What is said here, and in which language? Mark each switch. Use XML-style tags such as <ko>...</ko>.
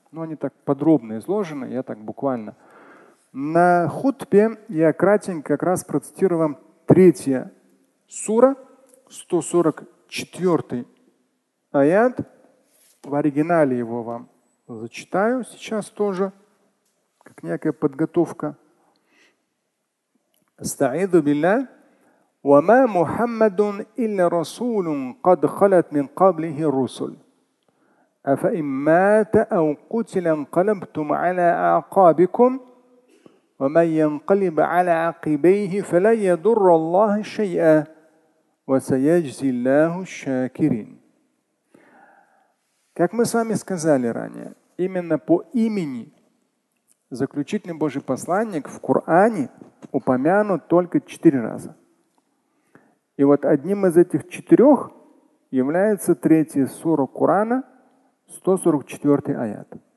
<ru>Но они так подробно изложены, я так буквально. На хутбе я кратенько как раз процитирую вам третья сура, 144 аят. В оригинале его вам зачитаю сейчас тоже, как некая подготовка.</ru> <ar>Астаизу биллях. وما محمد إلا رسول قد خلت من قبله الرسل أفإن مات أو قتل انقلبتم على أعقابكم ومن ينقلب على عقبيه فلن يضر الله شيئا وسيجزي الله الشاكرين.</ar> <ru>Как мы с вами сказали ранее, именно по имени заключительный Божий посланник в Коране упомянут только 4 раза. И вот одним из этих 4 является третья сура Корана, 144 аят.</ru>